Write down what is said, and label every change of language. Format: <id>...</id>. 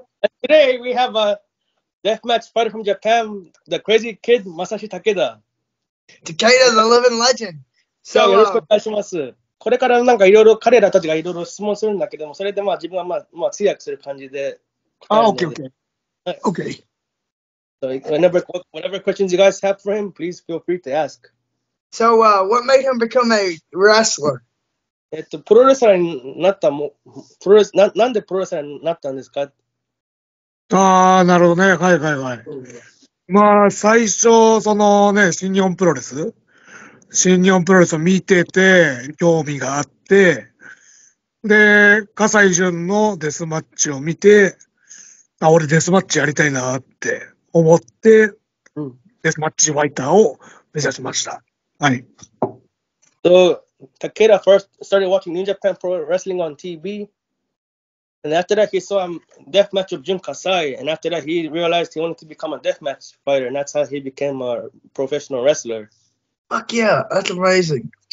<en>And today we have a deathmatch fighter from Japan, the crazy kid Masashi Takeda. Takeda, the living legend. So, yeah,</en> <ja>よろしくお願いします. これからなんかいろいろ彼らたちがいろいろ質問するんだけども、それでまあ自分はまあ通訳する感じで。あ、OK、OK。OK。</ja> <en>So, whatever questions you guys have for him, please feel free to ask. So, what made him become a wrestler?</en> <ja>プロレスラーになったも、プロレス、なんでプロレスラーになったんですか？あー、なるほどね。はいはいはい。まあ、最初、そのね、新日本プロレス。新日本プロレスを見てて、興味があって、で、葛西潤のデスマッチを見て、あ、俺デスマッチやりたいなって思って、うん、デスマッチファイターを目指しました。はい。</ja> <en>So, Takeda first started watching New Japan Pro Wrestling on TV, and after that he saw a deathmatch of Jun Kasai, and after that he realized he wanted to become a deathmatch fighter, and that's how he became a professional wrestler. Fuck yeah, that's amazing.</en>